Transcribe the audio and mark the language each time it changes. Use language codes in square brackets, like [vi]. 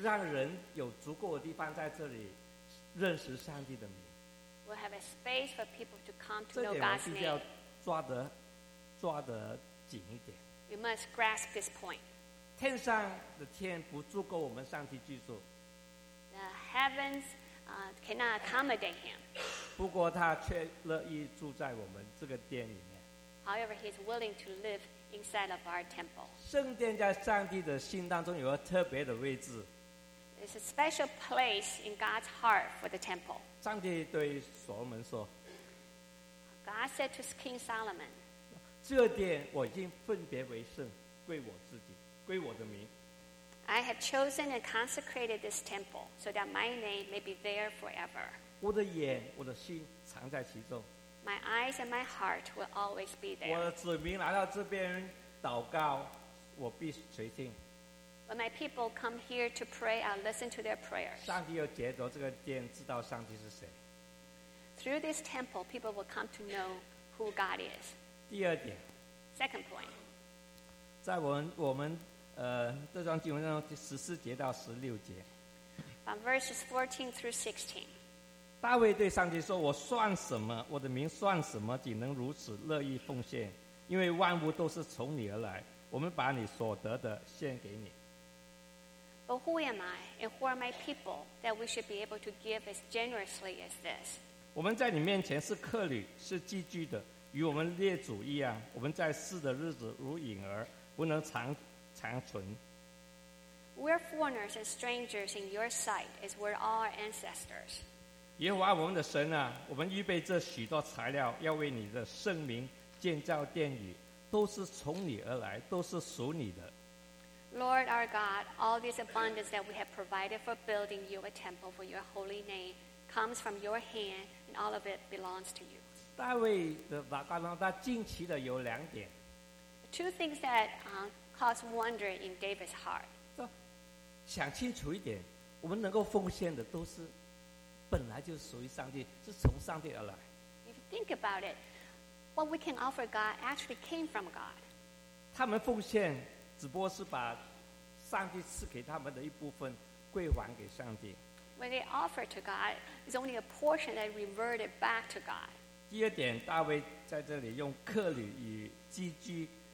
[zh] 让人有足够的地方在这里。认识上帝的名。 [en] We'll have a space for people to come to know God's name. [zh] 这点我们要抓得紧一点。 [en] You must grasp this point. [zh] 天上的天不足够我们上帝居住。 [en] The heavens cannot accommodate him. [zh] 不过他却乐意住在我们这个殿里面。 [en] However, he's willing to live inside of our temple. [zh] 圣殿在上帝的心当中有个特别的位置。 [en] It's a special place in God's heart for the temple. [zh] 上帝对所罗门说 [en] God said to King Solomon, [zh] 这殿我已经分别为圣，归我自己，归我的名。 [en] I have chosen and consecrated this temple so that my name may be there forever. [zh] 我的眼，我的心藏在其中。 [en] My eyes and my heart will always be there. [zh] 我的子民来到这边祷告，我必垂听。 [en] When my people come here to pray, I'll listen to their prayers. [zh] 上帝又藉着这个殿知道上帝是谁。 [en] Through this temple, people will come to know who God is. [zh] 第二点。 [en] Second point. [zh] 在我们这段经文中十四节到十六节。 [en] From verses 14 through 16. [zh] 大卫对上帝说：“我算什么？我的名算什么？岂能如此乐意奉献？因为万物都是从你而来，我们把你所得的献给你。” [en] But who am I, and who are my people, that we should be able to give as generously as this? [zh] 我们在你面前是客旅，是寄居的，与我们列祖一样。我们在世的日子如影儿，不能长存。 [en] We are foreigners and strangers in your sight, as were all our ancestors. [zh] 耶和华我们的神啊，我们预备这许多材料，要为你的圣名建造殿宇，都是从你而来，都是属你的。 [en] Lord our God, all this abundance that we have provided for building you a temple for your holy name comes from your hand, and all of it belongs to you. [zh] 大卫的祷告呢，他惊奇的有两点。 [en] Two things that cause wonder in David's heart. [zh] 想清楚一点，我们能够奉献的都是本来就属于上帝，是从上帝而来。 [en] If you think about it, what we can offer God actually came from God. [zh] 他们奉献。只不过是把上帝赐给他们的一部分归还给上帝。 [en] When they offer to God, it's only a portion that reverted back to God. [zh] 第二点，大卫在这里用客旅与寄居，